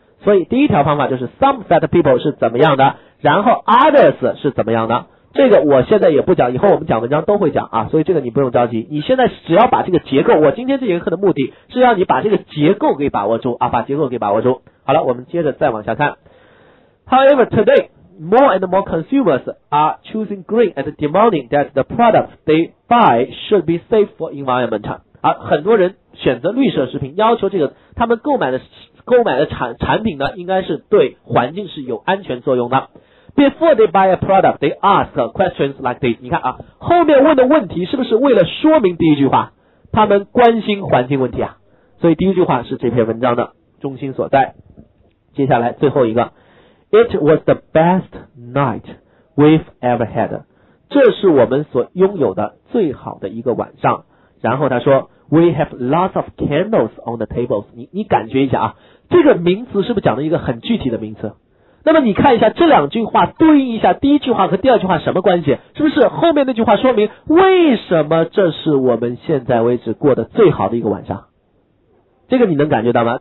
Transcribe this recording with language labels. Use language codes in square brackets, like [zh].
[zh] 所以第一条方法就是 [en] some fat people [zh] 是怎么样的，然后 others 是怎么样的，这个我现在也不讲，以后我们讲文章都会讲啊，所以这个你不用着急，你现在只要把这个结构，我今天这节课的目的是让你把这个结构给把握住啊，把结构给把握住。好了，我们接着再往下看。 [en] However today more and more consumers are choosing green and demanding that the products they buy should be safe for environment。 [zh] 而很多人选择绿色食品，要求这个他们购买的 产品呢，应该是对环境是有安全作用的。 [en] Before they buy a product, they ask questions like this. [zh] 你看啊，后面问的问题是不是为了说明第一句话？他们关心环境问题啊，所以第一句话是这篇文章的中心所在。接下来最后一个 [en] ，It was the best night we've ever had. [zh] 这是我们所拥有的最好的一个晚上。然后他说 [en] ，We have lots of candles on the tables. [zh] 你感觉一下啊，这个名词是不是讲了一个很具体的名词？那么你看一下这两句话对应一下，第一句话和第二句话什么关系，是不是后面那句话说明为什么这是我们现在为止过得最好的一个晚上？这个你能感觉到吗？